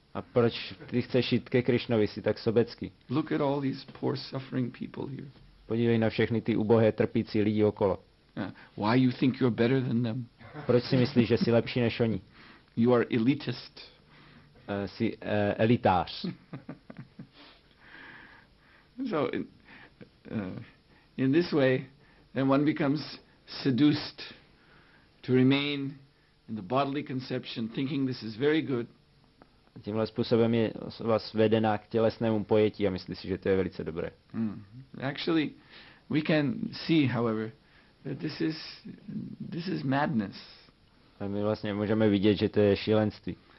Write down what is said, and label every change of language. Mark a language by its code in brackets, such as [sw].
[cs] A proč ty chceš jít ke Krišnovi, jsi tak sobecký? [en] Look at all these poor suffering people here. [cs] Podívej na všechny ty ubohé trpící lidi okolo. [en] Why you think you're better than them? [cs] Proč si myslíš, že jsi lepší než oni? [en] You are elitist. [cs] Jsi elitář. [en] So in this way, then one becomes seduced to remain in the bodily conception, thinking this is very good. [cs] Tímhle způsobem je vás vedena k tělesnému pojetí a myslí si, že to je velice dobré. [en] Actually, we can see, however, that this is madness. [cs] A my vlastně můžeme vidět, že to je šílenství.